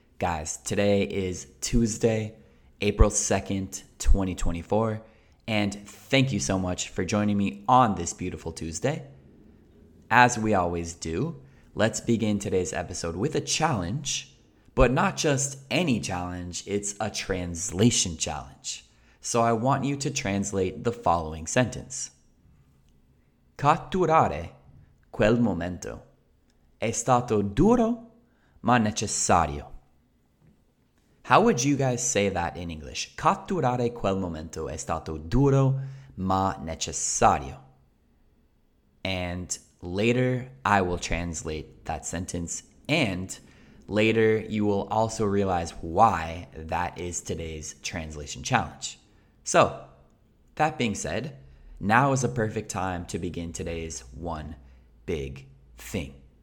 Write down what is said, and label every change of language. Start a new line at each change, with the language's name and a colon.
English: Guys, today is Tuesday, April 2nd, 2024, and thank you so much for joining me on this beautiful Tuesday. As we always do, let's begin today's episode with a challenge, but not just any challenge, it's a translation challenge. So I want you to translate the following sentence.
Italian: Catturare quel momento è stato duro ma necessario.
English: How would you guys say that in English?
Italian: Catturare quel momento è stato duro ma necessario.
English: And later, I will translate that sentence, and later, you will also realize why that is today's translation challenge. So, that being said, now is a perfect time to begin today's one big thing.